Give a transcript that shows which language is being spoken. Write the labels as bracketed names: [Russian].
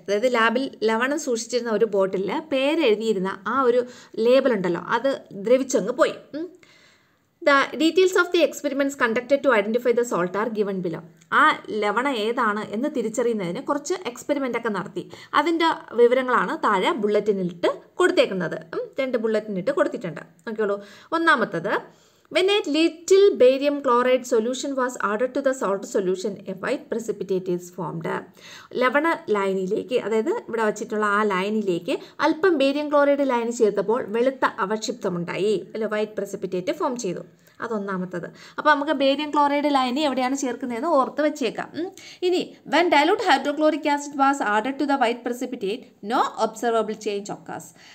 [Malayalam] അതായത് ലാബിൽ ലവണം സൂക്ഷിച്ചിരുന്ന ഒരു ബോട്ടിലിൽ പേരെഴുതിയിരുന്ന ആ ഒരു ലേബൽ ഉണ്ടല്ലോ, അത് ദ്രവിച്ചങ്ങ് പോയി. [English] The details of the experiments conducted to identify the salt are given below. [Malayalam] ആ ലവണം ഏതാണ് എന്ന് തിരിച്ചറിയുന്നതിന് കുറച്ച് എക്സ്പെരിമെൻ്റൊക്കെ നടത്തി. അതിൻ്റെ വിവരങ്ങളാണ് താഴെ ബുള്ളറ്റിനിട്ട് കൊടുത്തേക്കുന്നത്. 2 ബുള്ളറ്റിനിട്ട് കൊടുത്തിട്ടുണ്ട്. നോക്കിയുള്ളൂ. [English] 1-ാമത്തത്, When a little barium chloride solution was added to the salt solution, a white precipitate is formed. [Malayalam] ലവണ ലൈനിലേക്ക്, അതായത് ഇവിടെ വച്ചിട്ടുള്ള ആ ലൈനിലേക്ക് അല്പം ബേരിയം ക്ലോറൈഡ് ലൈനിൽ ചേർത്തപ്പോൾ വെളുത്ത അവക്ഷിപ്തമുണ്ടായി അല്ലെ, വൈറ്റ് പ്രസിപ്പിറ്റേറ്റ് ഫോം ചെയ്തു. അത് 1-ാമത്തത്. അപ്പോൾ നമുക്ക് ബേരിയം ക്ലോറൈഡ് ലൈനി എവിടെയാണ് ചേർക്കുന്നതെന്ന് ഓർത്ത് വെച്ചേക്കാം. [English] ഇനി when dilute hydrochloric acid was added to the white precipitate no observable change occurs.